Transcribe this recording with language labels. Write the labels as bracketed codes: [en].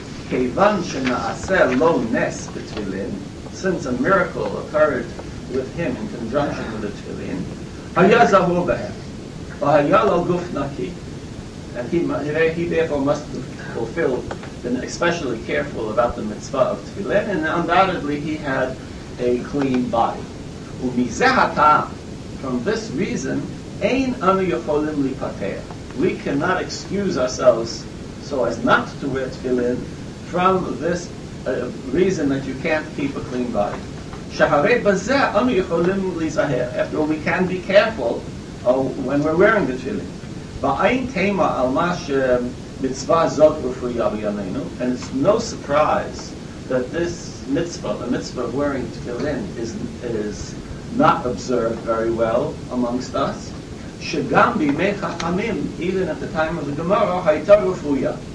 [he] כיוון שנעשה לא נס בתפילין, [en] since a miracle occurred with him in conjunction with the tefillin, [he] היה זהור בהם, והיה לו גוף נקי. [en] And he therefore must fulfill, been especially careful about the mitzvah of tefillin, and undoubtedly he had a clean body. [he] ומזה הטעם, [en] from this reason, [he] אין אנו יכולים להיפטר. [en] We cannot excuse ourselves so as not to wear tefillin from this reason that you can't keep a clean body. [he] שהרי בזה אנו יכולים להיזהר. [en] After all, we can be careful when we're wearing the tefillin. [he] ואין תמה על מה שמצווה זאת רפויה בימינו. [en] And it's no surprise that this mitzvah, the mitzvah of wearing tefillin, is not observed very well amongst us. [he] שגם בימי חכמים, [en] even at the time of the Gemara, [he] הייתה רפויה.